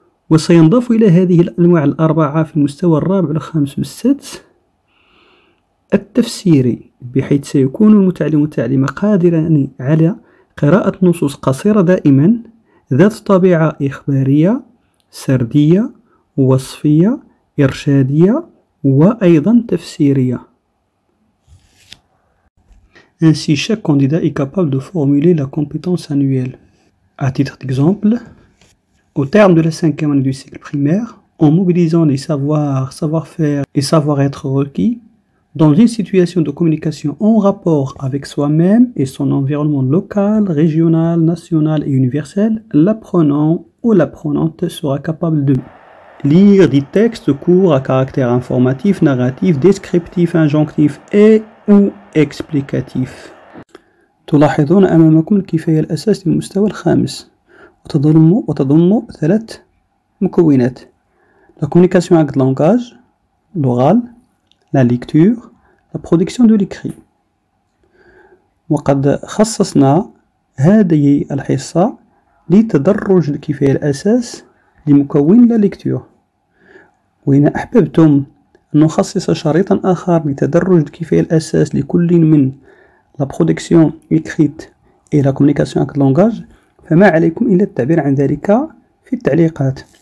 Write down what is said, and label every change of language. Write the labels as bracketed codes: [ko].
[ar] وسينضاف إلى هذه الأنواع الأربعة في المستوى الرابع والخامس والسادس التفسيري، بحيث سيكون المتعلم والمتعلمة قادران على قراءة نصوص قصيرة دائما ذات طبيعة إخبارية سردية وصفية إرشادية وأيضا تفسيرية. [fr] Ainsi, chaque candidat est capable de formuler la compétence annuelle. À titre d'exemple, au terme de la cinquième année du cycle primaire, en mobilisant les savoirs, savoir-faire et savoir-être requis, dans une situation de communication en rapport avec soi-même et son environnement local, régional, national et universel, l'apprenant ou l'apprenante sera capable de lire des textes courts à caractère informatif, narratif, descriptif, injonctif et ou explicatif. [ar] تلاحظون أمامكم الكفاية الأساس للمستوى الخامس وتضم ثلاث مكونات: [fr] la communication avec langage, l'oral, la lecture, la production de l'écrit. [ar] وقد خصصنا هذه الحصة لتدرج الكفاية الأساس لمكون la lecture. وإن أحببتم أن نخصص شريطا آخر لتدرج الكفاية الأساس لكل من [fr] la production écrite et la communication avec le langage, [ar] فما عليكم إلا التعبير عن ذلك في التعليقات.